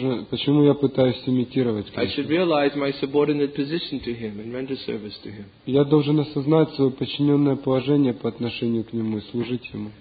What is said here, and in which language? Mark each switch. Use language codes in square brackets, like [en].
[ru] Почему я пытаюсь имитировать Кришну? [en] I should realize my subordinate position to him and render service to him. [ru] Я должен осознать свое подчиненное положение по отношению к нему и служить ему.